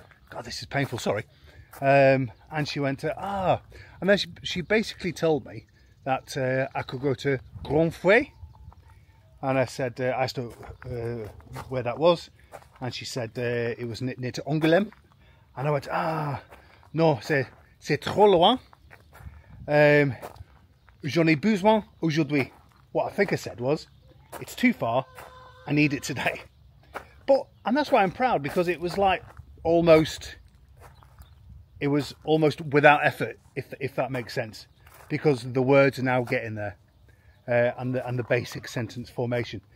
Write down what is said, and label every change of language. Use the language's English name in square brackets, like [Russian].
[English] God, this is painful, sorry. And she went to, and then she basically told me that I could go to Grand Fouet. And I said, I asked her where that was. And she said it was near to Angoulême. And I went, no, [French] c'est trop loin. J'en ai besoin aujourd'hui. [English] What I think I said was, it's too far, I need it today. But, and that's why I'm proud, because it was like almost, it was almost without effort, if that makes sense. Because the words are now getting there, and the basic sentence formation.